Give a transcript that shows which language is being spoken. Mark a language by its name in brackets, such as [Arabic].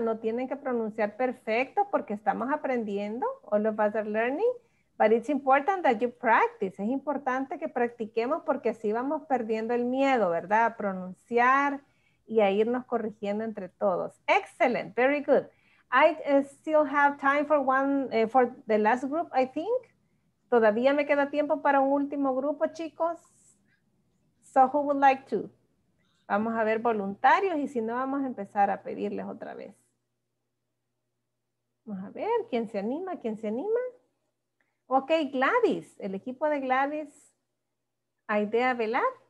[Spanish] No tienen que pronunciar perfecto porque estamos aprendiendo. [English] All of us are learning. But it's important that you practice. [Spanish] Es importante que practiquemos porque así vamos perdiendo el miedo, ¿verdad? A pronunciar y a irnos corrigiendo entre todos. [English] Excellent. Very good. I still have time for for the last group, I think. [Spanish] ¿Todavía me queda tiempo para un último grupo, chicos? [English] So who would like to? [Spanish] Vamos a ver voluntarios y si no, vamos a empezar a pedirles otra vez. Vamos a ver, ¿quién se anima? Ok, Gladys, el equipo de Gladys. ¿Aidea Velar?